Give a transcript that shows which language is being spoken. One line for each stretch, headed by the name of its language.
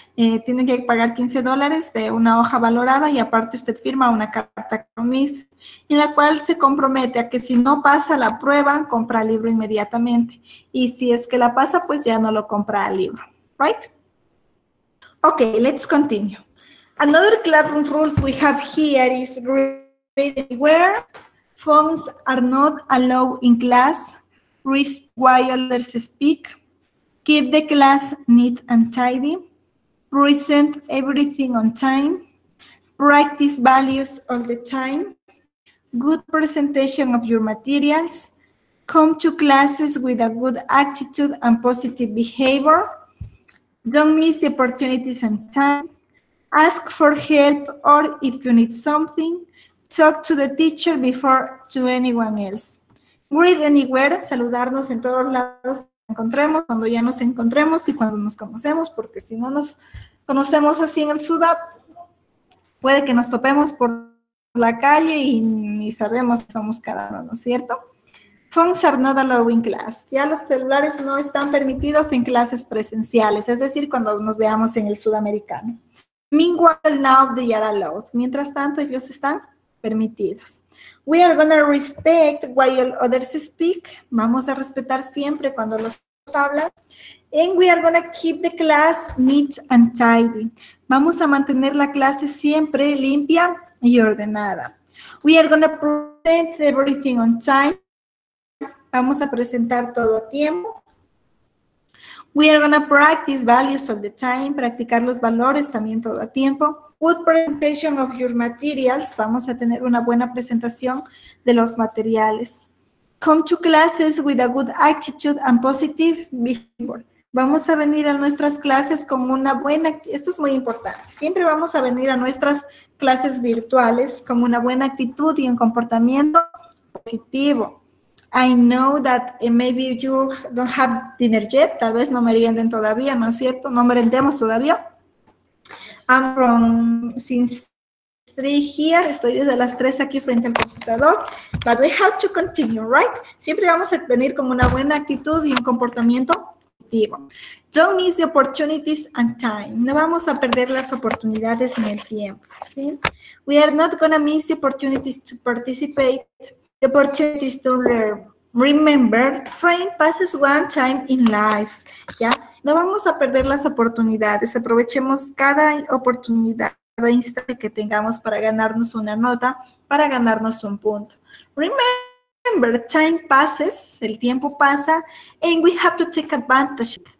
Spanish: Tienen que pagar $15 de una hoja valorada y aparte usted firma una carta compromiso en la cual se compromete a que si no pasa la prueba, compra el libro inmediatamente. Y si es que la pasa, pues ya no lo compra el libro.
English: ¿Right? Ok, let's continue. Another classroom rules we have here is where phones are not allowed in class, read while others speak, keep the class neat and tidy, present everything on time, practice values all the time, good presentation of your materials, come to classes with a good attitude and positive behavior, don't miss the opportunities and time, ask for help or if you need something, talk to the teacher before to anyone else. Greet anywhere,
Spanish: saludarnos en todos lados que encontremos, cuando ya nos encontremos y cuando nos conocemos, porque si no nos conocemos así en el SUDAP, puede que nos topemos por la calle y ni sabemos que somos cada uno, ¿no es cierto?
English: Phones are not allowed in class.
Spanish: Ya los celulares no están permitidos en clases presenciales, es decir, cuando nos veamos en el sudamericano.
English: Meanwhile, now they are allowed.
Spanish: Mientras tanto, ellos están permitidos.
English: We are going to respect while others speak.
Spanish: Vamos a respetar siempre cuando los hablan.
English: And we are going to keep the class neat and tidy.
Spanish: Vamos a mantener la clase siempre limpia y ordenada.
English: We are going to present everything on time.
Spanish: Vamos a presentar todo a tiempo.
English: We are going to practice values all the time.
Spanish: Practicar los valores también todo a tiempo.
English: Good presentation of your materials.
Spanish: Vamos a tener una buena presentación de los materiales.
English: Come to classes with a good attitude and positive behavior.
Spanish: Vamos a venir a nuestras clases con una buena... Esto es muy importante. Siempre vamos a venir a nuestras clases virtuales con una buena actitud y un comportamiento positivo.
English: I know that maybe you don't have dinner yet.
Spanish: Tal vez no merienden todavía, ¿no es cierto? No merendemos todavía.
English: I'm from since 3 here,
Spanish: estoy desde las 3 aquí frente al computador,
English: but we have to continue, right?
Spanish: Siempre vamos a venir con una buena actitud y un comportamiento positivo.
English: Don't miss the opportunities and time.
Spanish: No vamos a perder las oportunidades en el tiempo, ¿sí?
English: We are not going to miss the opportunities to participate, the opportunities to learn. Remember, time passes one time in life, ¿ya?
Spanish: No vamos a perder las oportunidades, aprovechemos cada oportunidad, cada instante que tengamos para ganarnos una nota, para ganarnos un punto.
English: Remember, time passes,
Spanish: el tiempo pasa,
English: and we have to take advantage.